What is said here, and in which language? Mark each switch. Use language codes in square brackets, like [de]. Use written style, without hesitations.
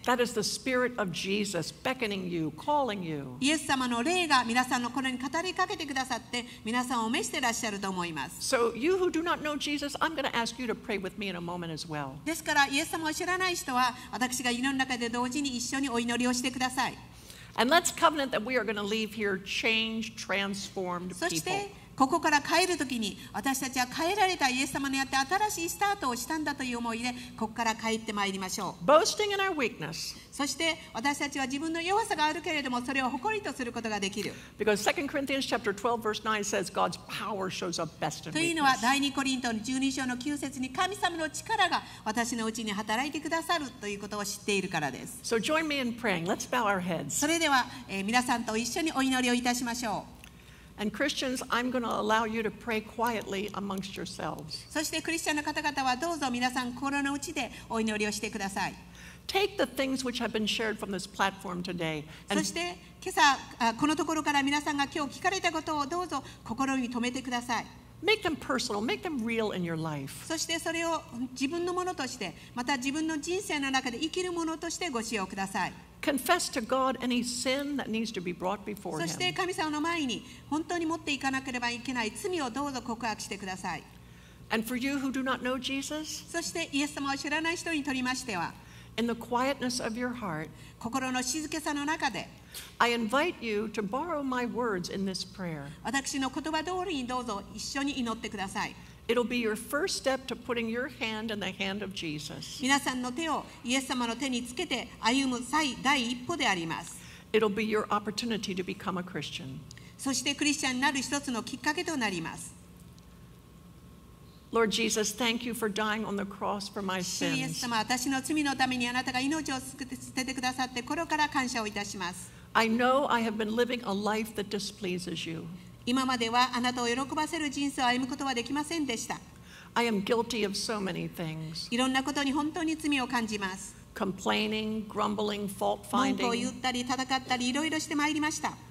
[en] That is the spirit of Jesus beckoning you, calling you. [ja] イエス様の霊が皆さんの心に語りかけてくださって、皆さんを召してらっしゃると思います。 [en] So you who do not know Jesus, I'm going to ask you to pray with me in a moment as well. [ja] ですからイエス様を知らない人は、私が祈る中で同時に一緒にお祈りをしてください。 [en] And let's covenant that we are going to leave here changed, transformed people. [ja] そしてここから帰るときに私たちは変えられたイエス様によって新しいスタートをしたんだという思いでここから帰ってまいりましょう。 [en] Boasting in our weakness. [ja] そして私たちは自分の弱さがあるけれどもそれを誇りとすることができる。 [en] Because 2 Corinthians chapter 12 verse 9 says God's power shows up best in weakness. [ja] というのは第2コリントの12章の9節に神様の力が私のうちに働いてくださるということを知っているからです。 [en] So join me in praying. Let's bow our heads. [ja] それでは、皆さんと一緒にお祈りをいたしましょう。 [en] And Christians, I'm going to allow you to pray quietly amongst yourselves. [ja] そしてクリスチャンの方々はどうぞ皆さん心の内でお祈りをしてください。 [en] Take the things which have been shared from this platform today. [ja] そして今朝このところから皆さんが今日聞かれたことをどうぞ心に留めてください。 [en] Make them personal. Make them real in your life. [ja] そしてそれを自分のものとしてまた自分の人生の中で生きるものとしてご使用ください。 [en] Confess to God any sin that needs to be brought before Him. [ja] そして神様の前に本当に持っていかなければいけない罪をどうぞ告白してください。 [en] And for you who do not know Jesus, [ja] そしてイエス様を知らない人にとりましては、 [en] In the quietness of your heart, [ja] 心の静けさの中で、 [en] I invite you to borrow my words in this prayer. [ja] 私の言葉通りにどうぞ一緒に祈ってください。 [en] It'll be your first step to putting your hand in the hand of Jesus. [ja] 皆さんの手をイエス様の手につけて歩む第一歩であります。 [en] It'll be your opportunity to become a Christian. [ja] そしてクリスチャンになる一つのきっかけとなります。 [en] Lord Jesus, thank you for dying on the cross for my sins. [ja] 主イエス様、私の罪のためにあなたが命を捨ててくださって、心から感謝をいたします。 [en] I know I have been living a life that displeases you. [ja] 今まではあなたを喜ばせる人生を歩むことはできませんでした。 [en] I am guilty of so many things. [ja] いろんなことに本当に罪を感じます。 [en] Complaining, grumbling, fault finding. [ja] 文句を言ったり戦ったりいろいろしてまいりました。